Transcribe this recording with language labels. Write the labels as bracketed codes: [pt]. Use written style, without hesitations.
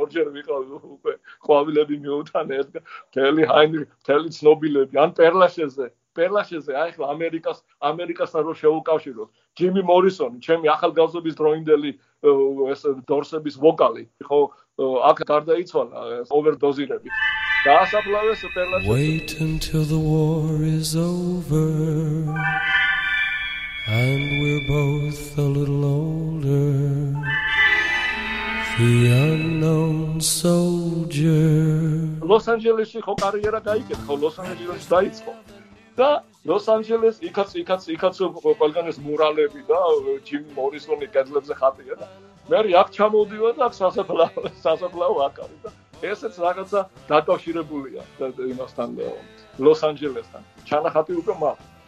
[ka] ორჯერ ვიყავი უკვე ყვავილები მიუთან ედგა თელი ჰაინრი თელი ცნობილები ან პერლაშეზე. აი ეხლა ამერიკასთან რო შეუკავშიროთ, ჯიმი მორისონი, ჩემი ახალგაზრდობის დროინდელი ეს დორსების ვოკალი, ხო აქ გარდაიცვალა ოვერდოზირებით. დაასაფლავეს პერლაშეზე. [en] Wait until the war is over. And we're both a little older. The unknown soldier. [ka] Los Angeles ხო კარიერა გაიკეთა, Los Angeles დაიწყო. და Los Angeles იქაც ყველგან ეს მურალები და ჯიმ მორისონი კედლებზე ხატია და მე აქ ჩამოვიდა და აქ სასაფლაო აქ არის და ესეც რაღაცა დაკავშირებულია იმასთან Los Angeles-თან. ჩანახატი უკვე მაქვს.